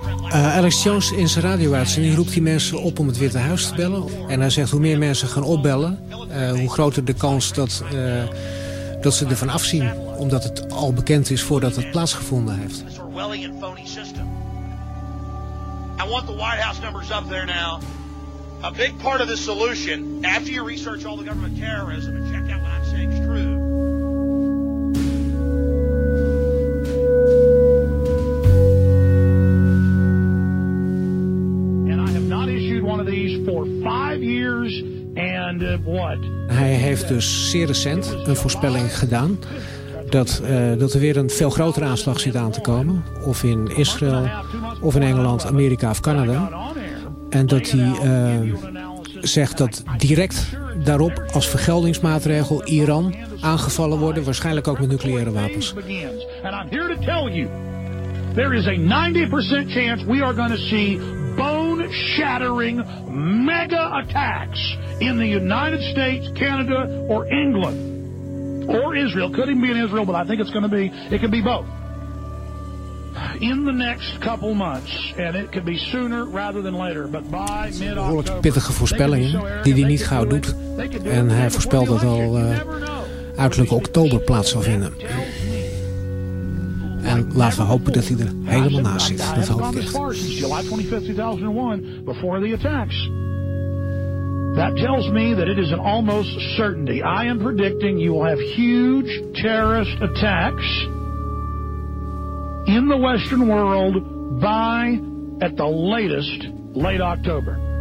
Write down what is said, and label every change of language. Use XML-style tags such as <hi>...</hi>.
<nl>Alex Jones in zijn radio-uitzending roept die mensen op om het Witte Huis te bellen. En hij zegt hoe meer mensen gaan opbellen, hoe groter de kans dat ze ervan afzien. Omdat het al bekend is voordat het plaatsgevonden heeft.</nl> <en>I want the White House numbers up there now. A big part of the solution, after you research all the government terrorism and check out what I'm saying is true. And I have not issued one of these for 5 years and what?</en> <nl>Hij heeft dus zeer recent een voorspelling gedaan. Dat er weer een veel grotere aanslag zit aan te komen. Of in Israël, of in Engeland, Amerika of Canada. En dat hij zegt dat direct daarop als vergeldingsmaatregel Iran aangevallen worden. Waarschijnlijk ook met nucleaire wapens. En ik ben hier om te vertellen: er is een 90% kans dat</nl> <en>we see bone-shattering mega-attacks</en> <nl>in de Verenigde Staten, Canada of Engeland.</nl> <en>Or Israel. Could even be in Israel, but I think it's going to be, it could be both. In the next couple months. And it could be sooner rather than later. But by mid-October.</en> <nl>Behoorlijk pittige voorspellingen die hij niet gauw doet. En hij voorspelt dat al uiterlijk oktober plaats zal vinden. En laten we hopen dat hij er helemaal naast zit. Dat hoop ik echt.</nl> <en>July 25, 2001, before the attacks. That tells me that it is an almost certainty. I am predicting you will have huge terrorist attacks in the Western world by, at the latest, late October.</en>